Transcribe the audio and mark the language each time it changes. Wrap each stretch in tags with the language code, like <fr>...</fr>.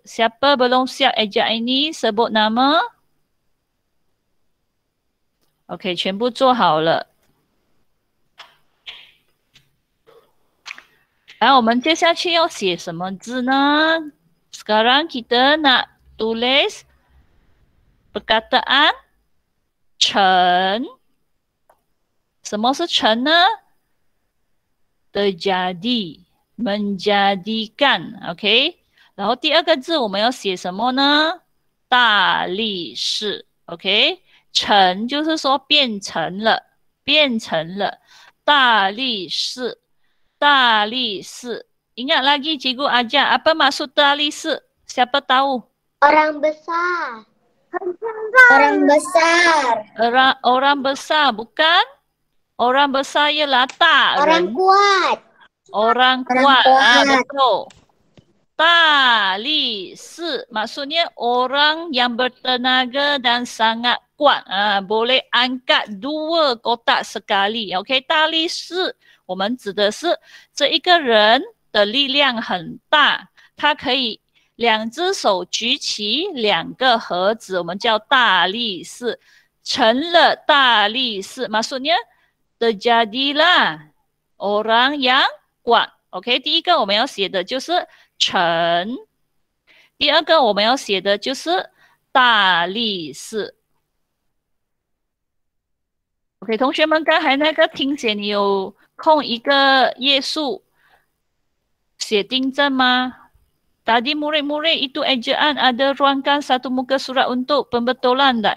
<ms>Siapa belum siap ejaan ini sebut nama? OK,</ms> <zh>全部做好了。来，我们接下去要写什么字呢 ？</zh> <ms>Sekarang kita nak tulis perkataan</ms> <zh>成。什么是成呢 ？</zh> <ms>terjadi， menjadikan，</ms> <zh>OK。然后第二个字我们要写什么呢？大力士 ，OK。成就是说变成了，变成了大力士。</zh> <ms>大力士 ingat lagi cikgu ajar apa maksud 大力士 siapa tahu orang besar orang besar orang besar bukan orang besar ialah ta orang kuat orang kuat, orang kuat. Ah, betul 大力士 maksudnya orang yang bertenaga dan sangat kuat ah, boleh angkat dua kotak sekali ok</ms> <zh>大力士我们指的是这一个人的力量很大，他可以两只手举起两个盒子，我们叫大力士，成了大力士。</zh> <ms>Maksudnya terjadilah orang yang kuat.</ms> <zh>OK， 第一个我们要写的就是成，第二个我们要写的就是大力士。 OK， 同学们，刚才那个听写你有？空一个页数写订正吗</zh> <ms>？Tadi murid-murid itu ejaan ada ruangkan satu muka surat untuk pembetulan tak?</ms>